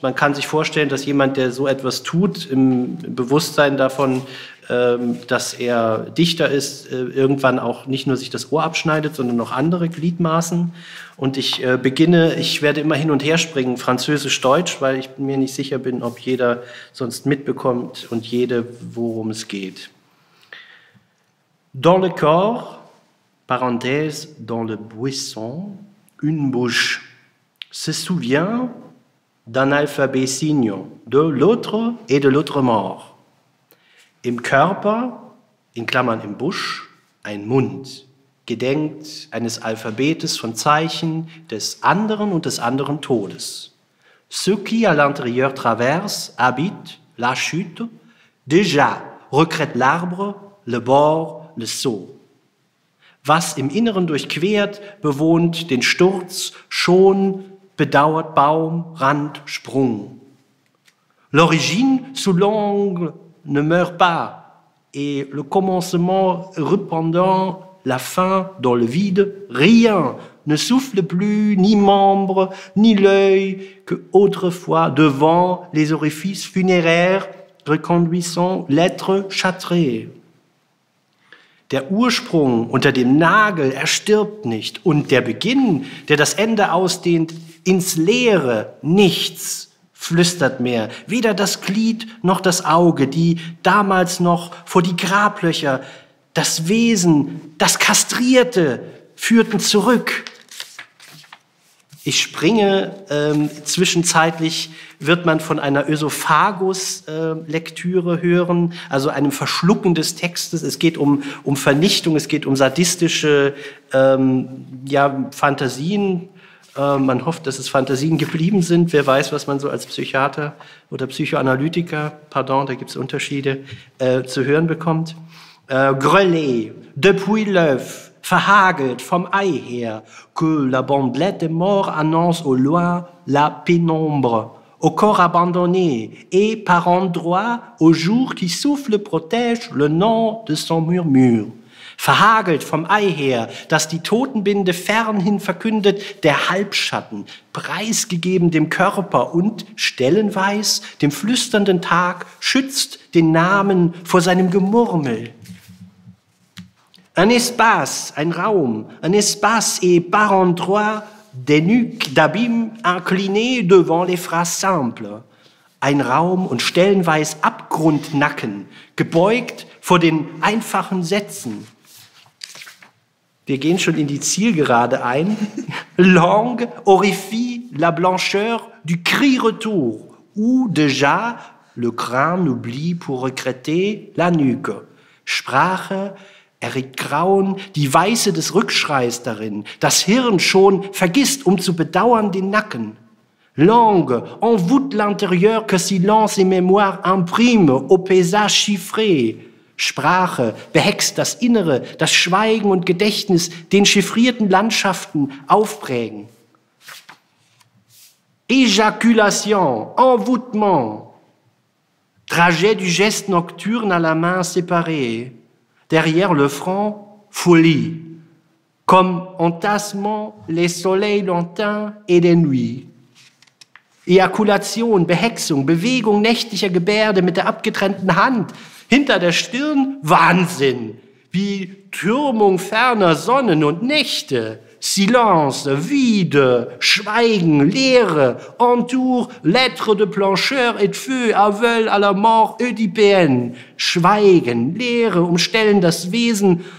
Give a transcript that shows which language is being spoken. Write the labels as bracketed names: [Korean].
[German] Man kann sich vorstellen, dass jemand, der so etwas tut, im Bewusstsein davon, dass er Dichter ist, irgendwann auch nicht nur sich das Ohr abschneidet, sondern auch andere Gliedmaßen. Und ich beginne, ich werde immer hin und her springen, Französisch-Deutsch, weil ich mir nicht sicher bin, ob jeder sonst mitbekommt und jede, worum es geht. [French] Dans le corps, parenthèse, dans le buisson, une bouche se souvient d'un alphabet signe, de l'autre et de l'autre mort. [German] Im Körper, in Klammern im Busch, ein Mund, gedenkt eines Alphabetes von Zeichen des anderen und des anderen Todes. [French] Ce qui à l'intérieur traverse, habite la chute, déjà recrète l'arbre, le bord, le saut. [German] Was im Inneren durchquert, bewohnt den Sturz, schon bedauert Baum, Rand, Sprung. [French] L'origine sous l'angle ne meurt pas, et le commencement rependant la fin dans le vide, rien ne souffle plus, ni membre, ni l'œil, que autrefois devant les orifices funéraires reconduisant l'être châtré. [German] Der Ursprung unter dem Nagel erstirbt nicht, und der Beginn, der das Ende ausdehnt, ins Leere nichts flüstert mehr, weder das Glied noch das Auge, die damals noch vor die Grablöcher, das Wesen, das Kastrierte führten zurück. Ich springe, zwischenzeitlich wird man von einer Ösophagus-Lektüre hören, also einem Verschlucken des Textes. Es geht um Vernichtung, es geht um sadistische Fantasien. Man hofft, dass es Fantasien geblieben sind. Wer weiß, was man so als Psychiater oder Psychoanalytiker, pardon, da gibt es Unterschiede, zu hören bekommt. [French] Grelé, depuis l'œuf, [German] verhagelt vom Ei her, [French] que la bandelette de mort annonce au loin la pénombre, au corps abandonné et par endroit au jour qui souffle protège le nom de son murmure. [German] Verhagelt vom Ei her, das die Totenbinde fernhin verkündet, der Halbschatten, preisgegeben dem Körper und stellenweis dem flüsternden Tag, schützt den Namen vor seinem Gemurmel. [French] Un espace, [German] ein Raum, [French] un espace et par endroit des nuques d'abîme inclinées devant les phrases simples. [German] Ein Raum und stellenweis Abgrundnacken, gebeugt vor den einfachen Sätzen. Wir gehen schon in die Zielgerade ein. [French] Langue horrifie la blancheur du cri retour, ou déjà le crâne oublie pour regretter la nuque. [German] Sprache erregt Grauen, die Weiße des Rückschreis darin, das Hirn schon vergisst, um zu bedauern den Nacken. [French] Langue envoûte l'intérieur que silence et mémoire imprime au paysage chiffré. [German] Sprache behext das Innere, das Schweigen und Gedächtnis den chiffrierten Landschaften aufprägen. [French] Éjaculation, envoûtement, trajet du geste nocturne à la main séparée, derrière le front, folie, comme entassement les soleils lointains et des nuits. [German] Ejakulation, Behexung, Bewegung nächtlicher Gebärde mit der abgetrennten Hand, hinter der Stirn, Wahnsinn, wie Türmung ferner Sonnen und Nächte, [French] Silence, Vide, [German] Schweigen, Leere, [French] Entour, Lettre de Plancheur et Feu, Aveul à la mort, Ödipéenne, [German] Schweigen, Leere, umstellen das Wesen